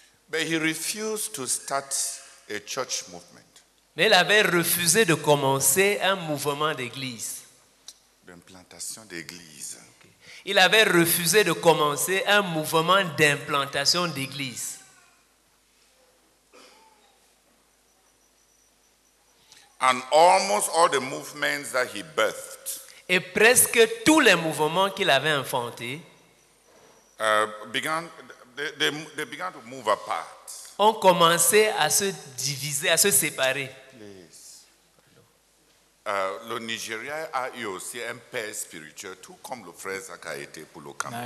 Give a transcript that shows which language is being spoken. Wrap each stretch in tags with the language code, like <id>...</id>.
<en>But he refused to start a church movement.</en> <fr>Mais il avait refusé de commencer un mouvement d'église. D'implantation d'église.</fr> <en>Okay.</en> <fr>Il avait refusé de commencer un mouvement d'implantation d'église.</fr> <en>And almost all the movements that he birthed.</en> <fr>Et presque tous les mouvements qu'il avait enfantés.</fr> <en>They began to move apart.</en> <fr>Ont commencé à se diviser, à se séparer.</fr> <en>Please.</en> <fr>Le Nigeria a eu aussi un père spirituel, tout comme le frère Zaka a été pour le Cameroun.</fr>